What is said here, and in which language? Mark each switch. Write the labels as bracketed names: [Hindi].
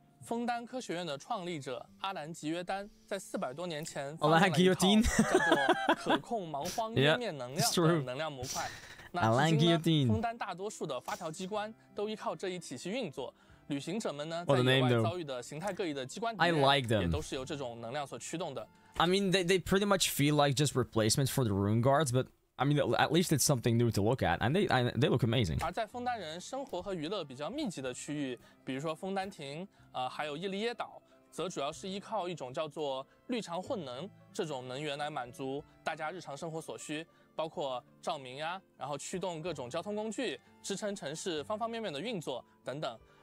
[Chinese] 枫丹科学院的创立者阿兰吉约丹在400多年前发明了一套叫做可控盲荒湮灭能量的能量模块。那至今呢，枫丹大多数的发条机关都依靠这一体系运作。旅行者们呢，在野外遭遇的形态各异的机关敌人，也都是由这种能量所驱动的。 [English] I mean, they pretty much feel like just replacements for the rune guards, but I mean, at least it's something new to look at, and they look amazing. [Chinese] 而在枫丹人生活和娱乐比较密集的区域，比如说枫丹亭，还有伊利耶岛，则主要是依靠一种叫做绿常混能这种能源来满足大家日常生活所需，包括照明呀，然后驱动各种交通工具，支撑城市方方面面的运作等等。